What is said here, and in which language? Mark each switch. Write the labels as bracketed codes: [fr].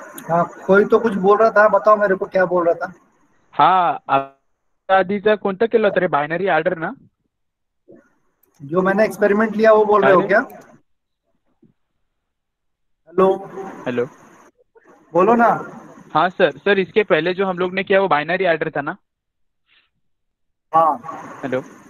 [hi] हाँ कोई तो कुछ बोल रहा था बताओ मेरे को क्या बोल रहा था [mr] हाँ आधीचा कोणता केला तरी बायनरी ऑर्डर ना [hi] जो मैंने एक्सपेरिमेंट लिया वो बोल रहे हो क्या हेलो हेलो बोलो ना हाँ सर सर इसके पहले जो हम लोग ने किया वो बाइनरी ऑर्डर था ना हाँ हेलो